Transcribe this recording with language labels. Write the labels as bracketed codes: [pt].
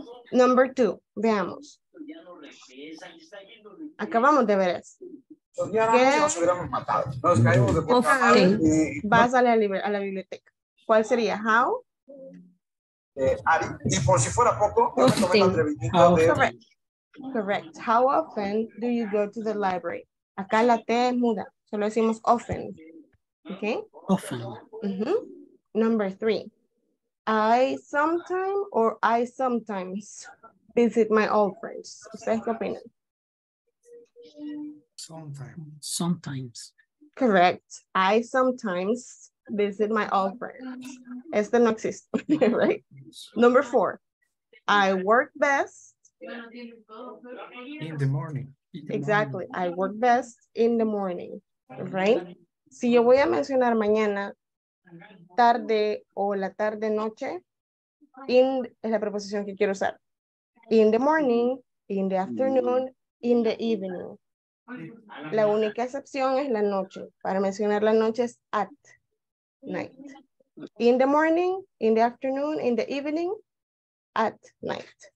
[en] Number two, [es] veamos. Acabamos de ver eso. ¿Qué? Nos hubiéramos matado. Nos caímos de portal. Vas a la biblioteca. ¿Cuál sería? How? Ari, y por si fuera poco, yo me tomé el atrevimiento de... [en] Correct. Correct. How often do you go to the library? [es] Acá la T es muda. Solo decimos often. Okay? [en] Often. Mm-hmm. Number three. I sometimes visit my old friends. [es] ¿Ustedes qué opinan? [en] Sometimes. Correct. I sometimes visit my old friends. [es] Este no existe, [en] right? Number four. I work best. In the morning. Exactly. I work best in the morning. Right? [es] Si yo voy a mencionar mañana, tarde o la tarde noche, in es la preposición que quiero usar. [en] In the morning, in the afternoon, in the evening. [es] La única excepción es la noche. Para mencionar la noche es at night. [en] In the morning, in the afternoon, in the evening, at night.